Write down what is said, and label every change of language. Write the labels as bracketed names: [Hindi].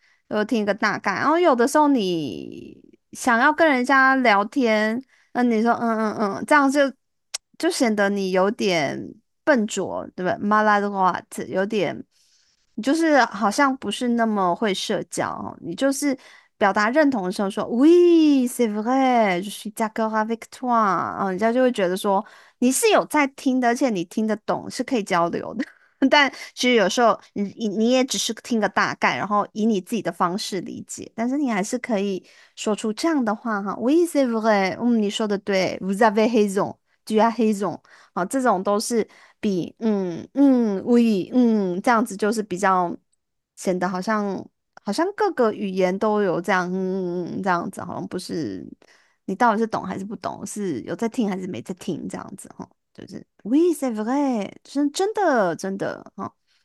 [French] Entendu un petit peu. Et il y a des fois, tu veux parler avec quelqu'un, tu dis, ça [Chinese] 就显得你有点笨拙，对不对？ [French] Maladroit， [Chinese] 有点，你就是好像不是那么会社交哦。你就是表达认同的时候说 [French] "Oui, c'est vrai, je suis d'accord avec toi。" [Chinese] 人家就会觉得说你是有在听的，而且你听得懂，是可以交流的。但其实有时候你也只是听个大概，然后以你自己的方式理解，但是你还是可以说出这样的话哈。 [French] "Oui, c'est vrai。" [Chinese] 你说的对， [French] "Vous avez raison。" [Chinese] 举啊黑总，好，这种都是比这样子就是比较显得好像各个语言都有这样这样子，好像不是你到底是懂还是不懂，是有在听还是没在听这样子哈，就是 [French] Oui, c'est vrai， [Chinese] 真的哈。